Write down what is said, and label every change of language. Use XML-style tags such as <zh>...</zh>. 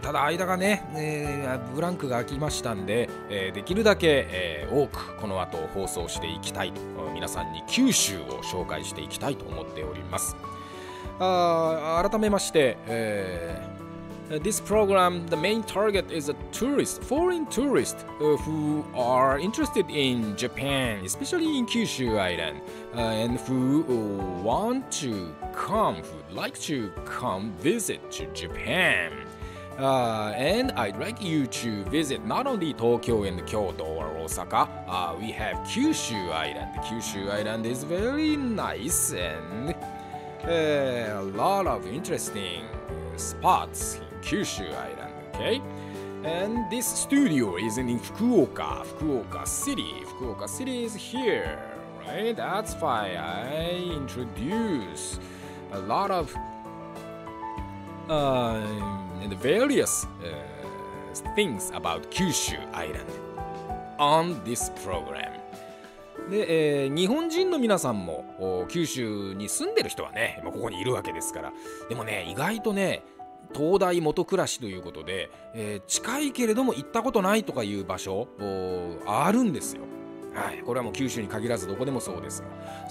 <ja>ただ間がね、ブランクが空きましたんで、できるだけ、多くこの後放送していきたいと、皆さんに九州を紹介していきたいと思っております。改めまして、</ja> <en>This program, the main target is a tourist, foreign tourist, who are interested in Japan, especially in Kyushu Island, and who want to come, who like to come visit to Japan. And I'd like you to visit not only Tokyo and Kyoto or Osaka, we have Kyushu Island. Kyushu Island is very nice and... a lot of interesting spots in Kyushu Island, okay? And this studio is in Fukuoka, Fukuoka City. Fukuoka City is here, right? That's why I introduce a lot of and various things about Kyushu Island on this program.</en> <ja>で、日本人の皆さんも九州に住んでる人はね、まあ、ここにいるわけですから。でもね、意外とね、東大元暮らしということで、近いけれども行ったことないとかいう場所あるんですよ、はい、これはもう九州に限らずどこでもそうですが。</ja>